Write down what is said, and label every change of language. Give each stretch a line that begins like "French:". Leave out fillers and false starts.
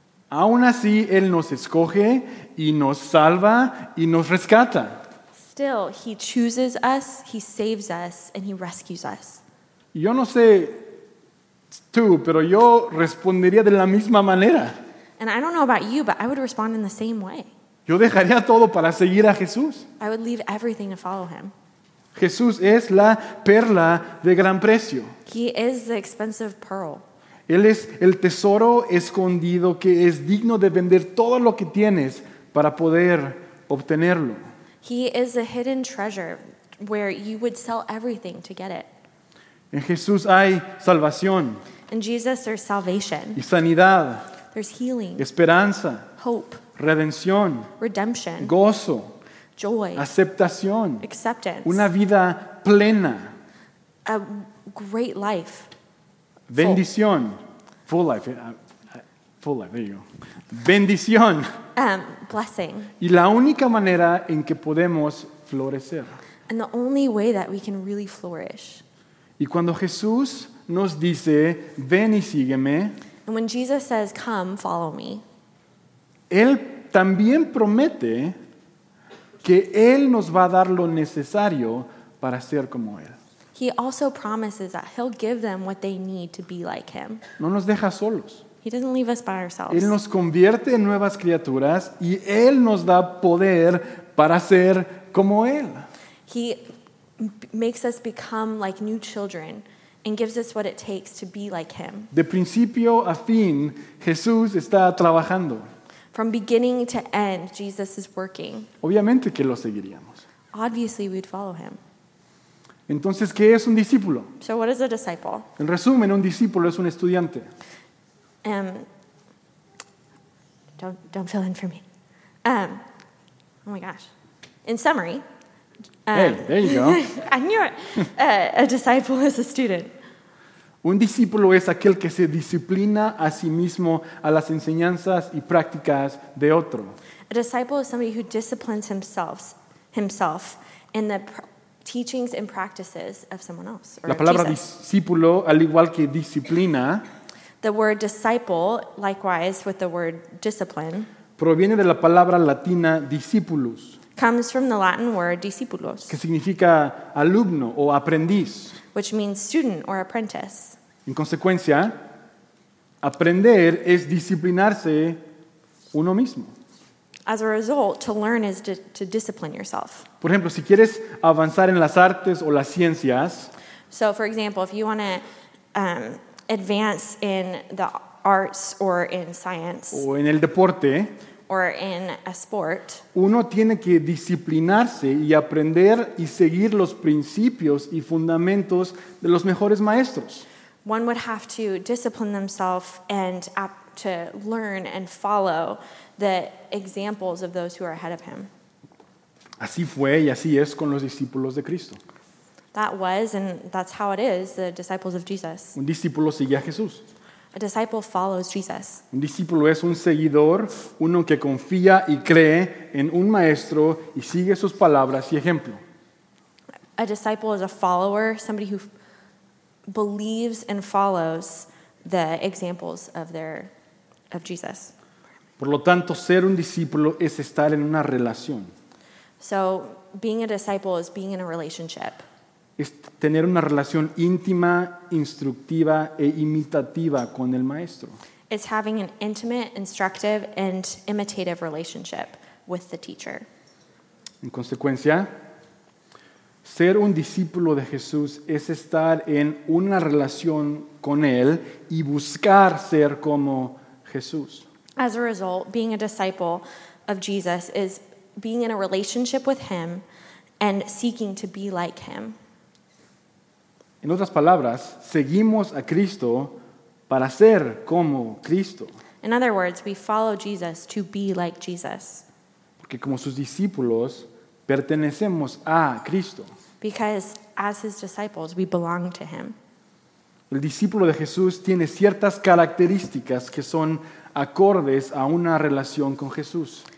Spanish: Aún así, Él nos escoge y nos salva y nos rescata.
English: Still, He chooses us, He saves us, and He rescues us.
Spanish: Yo no sé tú, pero yo respondería de la misma manera.
English: And I don't know about you, but I would respond in the same way.
Spanish: Yo dejaría todo para seguir a Jesús.
English: I would leave everything to follow Him.
Spanish: Jesús es la perla de gran precio.
English: He is the expensive pearl.
Spanish: Él es el tesoro escondido que es digno de vender todo lo que tienes para poder obtenerlo.
English: He is a hidden treasure where you would sell everything to get it.
Spanish: En Jesús hay salvación.
English: In Jesus there's salvation.
Spanish: Y sanidad.
English: There's healing.
Spanish: Esperanza.
English: Hope.
Spanish: Redención.
English: Redemption.
Spanish: Gozo.
English: Joy.
Spanish: Aceptación.
English: Acceptance.
Spanish: Una vida plena.
English: A great life.
Spanish: Bendición.
English: Full life. Full life, there you go.
Spanish: Bendición.
English: Blessing.
Spanish: Y la única manera en que podemos florecer.
English: And the only way that we can really flourish.
Spanish: Y cuando Jesús nos dice, ven y sígueme.
English: And when Jesus says, come, follow me.
Spanish: Él también promete que Él nos va a dar lo necesario para ser como Él.
English: He also promises that He'll give them what they need to be like Him.
Spanish: No nos deja solos.
English: He doesn't leave us by ourselves.
Spanish: Él nos convierte en nuevas criaturas y Él nos da poder para ser como Él.
English: He makes us become like new children and gives us what it takes to be like Him.
Spanish: De principio a fin, Jesús está trabajando.
English: From beginning to end, Jesus is working.
Spanish: Obviamente que lo seguiríamos.
English: Obviously, we'd follow Him.
Spanish: Entonces, ¿qué es un discípulo?
English: So what is a disciple?
Spanish: En resumen, un discípulo es un estudiante.
English: Don't fill in for me. Oh my gosh. In summary. Hey, there you go. I knew it. A disciple is a student.
Spanish: Un discípulo es aquel que se disciplina a sí mismo a las enseñanzas y prácticas de otro.
English: A disciple is somebody who disciplines himself in the teachings and practices of someone else.
Spanish: La palabra discípulo, al igual que disciplina,
English: the word disciple, likewise with the word discipline,
Spanish: proviene de la palabra latina discipulus,
English: comes from the Latin word discipulos,
Spanish: que significa alumno o aprendiz,
English: which means student or apprentice.
Spanish: En consecuencia, aprender es disciplinarse uno mismo.
English: As a result, to learn is to discipline yourself.
Spanish: Por ejemplo, si quieres avanzar en las artes o las ciencias.
English: So, for example, if you want to advance in the arts or in science.
Spanish: O en el deporte.
English: Or in a sport.
Spanish: Uno tiene que disciplinarse y aprender y seguir los principios y fundamentos de los mejores maestros.
English: One would have to discipline themselves and to learn and follow the examples of those who are ahead of him.
Spanish: Así fue y así es con los discípulos de Cristo.
English: That was and that's how it is, the disciples of Jesus.
Spanish: Un discípulo sigue a Jesús.
English: A disciple follows Jesus.
Spanish: Un discípulo es un seguidor, uno que confía y cree en un maestro y sigue sus palabras y ejemplo.
English: a disciple is a follower, somebody who believes and follows the examples of their of Jesus.
Spanish: Por lo tanto, ser un discípulo es estar en una relación.
English: So, being a disciple is being in a relationship.
Spanish: Es tener una relación íntima, instructiva e imitativa con el maestro.
English: It's having an intimate, instructive, and imitative relationship with the teacher.
Spanish: En consecuencia, ser un discípulo de Jesús es estar en una relación con él y buscar ser como Jesús.
English: As a result, being a disciple of Jesus is being in a relationship with him and seeking to be like him.
Spanish: En otras palabras, seguimos a Cristo para ser como Cristo.
English: In other words, we follow Jesus to be like Jesus.
Spanish: Porque como sus discípulos, pertenecemos a Cristo.
English: Because as his disciples, we belong to him.
Spanish: El discípulo de Jesús tiene ciertas características que son acordes a una relación con Jesús.